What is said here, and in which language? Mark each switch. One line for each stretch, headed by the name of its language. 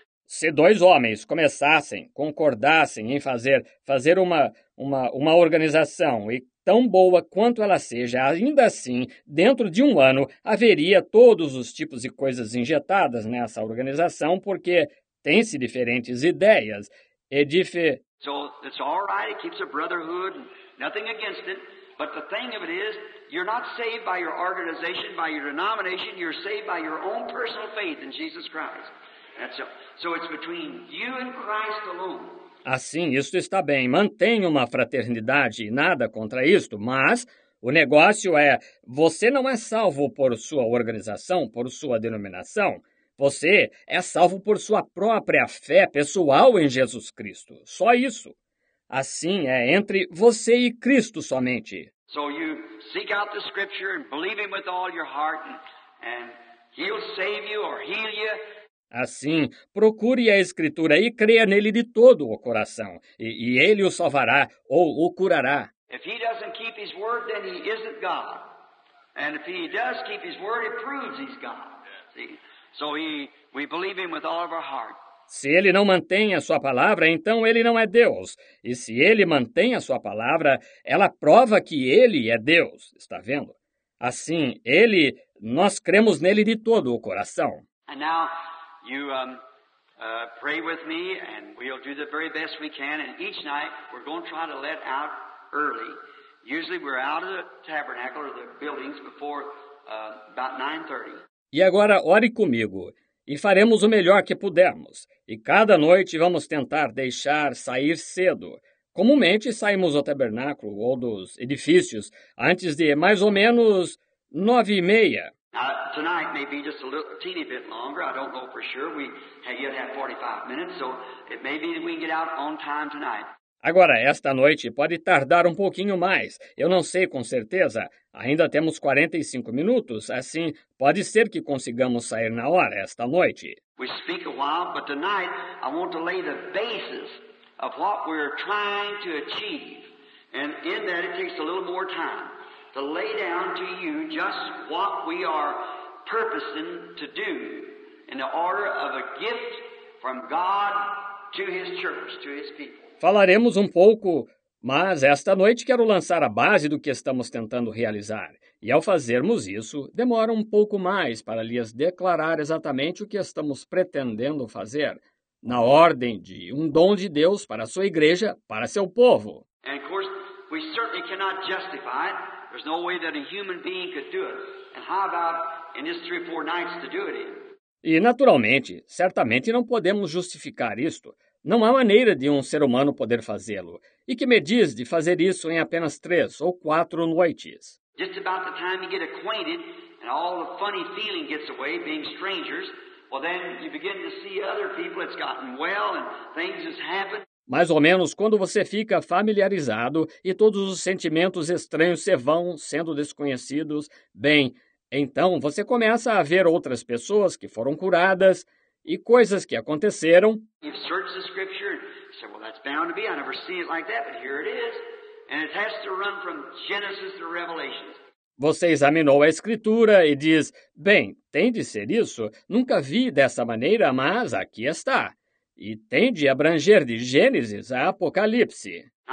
Portuguese: Se dois homens começassem, concordassem em fazer uma organização, e tão boa quanto ela seja, ainda assim, dentro de um ano, haveria todos os tipos de coisas injetadas nessa organização, porque tem-se diferentes ideias.
English: So, it's all right, it keeps a brotherhood, nothing against it, but the thing of it is, you're not saved by your organization, by your denomination, you're saved by your own personal faith in Jesus Christ. So it's between you and Christ alone.
Portuguese: Assim, isso está bem. Mantenha uma fraternidade e nada contra isto, mas o negócio é, você não é salvo por sua organização, por sua denominação. Você é salvo por sua própria fé pessoal em Jesus Cristo. Só isso. Assim é entre você e Cristo somente.
English: So you seek out the scripture and believe him with all your heart and he'll save you or heal you.
Portuguese: Assim, procure a Escritura e creia nele de todo o coração, e ele o salvará ou o curará.
English: If he doesn't keep his word, then he isn't God. And if he does keep his word, it proves he's God. See? So we believe him with all of our heart.
Portuguese: Se ele não mantém a sua palavra, então ele não é Deus. E se ele mantém a sua palavra, ela prova que ele é Deus. Está vendo? Assim, ele, nós cremos nele de todo o coração.
English: And now, You pray with me, and we'll do the very best we can. And each night, we're going to try to let out early. Usually, we're out of the tabernacle or the buildings before about 9:30.
Portuguese: E agora, ore comigo, e faremos o melhor que pudermos. E cada noite, vamos tentar deixar sair cedo. Comumente, saímos do tabernáculo ou dos edifícios antes de mais ou menos 9:30.
English: Tonight may be just a little teeny bit longer. I don't know for sure. We yet have 45 minutes, so it may be that we can get out on time tonight.
Portuguese: Agora, esta noite pode tardar um pouquinho mais. Eu não sei com certeza. Ainda temos 45 minutos, assim, pode ser que consigamos sair na hora esta noite.
English: We speak a while, but tonight I want to lay the basis of what we're trying to achieve. And in that, it takes a little more time. To lay down to you just what we are purposing to do in the order of a gift from God to his church, to his people.
Portuguese: Falaremos um pouco, mas esta noite quero lançar a base do que estamos tentando realizar. E ao fazermos isso, demora um pouco mais para lhes declarar exatamente o que estamos pretendendo fazer na ordem de um dom de Deus para a sua igreja, para seu povo.
English: And of course, we certainly cannot justify it. There's no way that a human being could do it. And how about in this 3 or 4 nights to do it in?
Portuguese: E naturalmente, certamente não podemos justificar isto. Não há maneira de um ser humano poder fazê-lo. E que me diz de fazer isso em apenas 3
English: or
Portuguese: 4 noites?
English: Just about the time you get acquainted and all the funny feeling gets away, being strangers, well then you begin to see other people, it's gotten well and things have happened.
Portuguese: Mais ou menos quando você fica familiarizado e todos os sentimentos estranhos se vão sendo desconhecidos, bem, então você começa a ver outras pessoas que foram curadas e coisas que aconteceram.
English: You've searched the scripture and said, well, that's bound to be. I never seen it like that, but here it is. And it has to run from Genesis to Revelation.
Portuguese: Você examinou a Escritura e diz, bem, tem de ser isso. Nunca vi dessa maneira, mas aqui está. E tem de abranger de Gênesis a Apocalipse.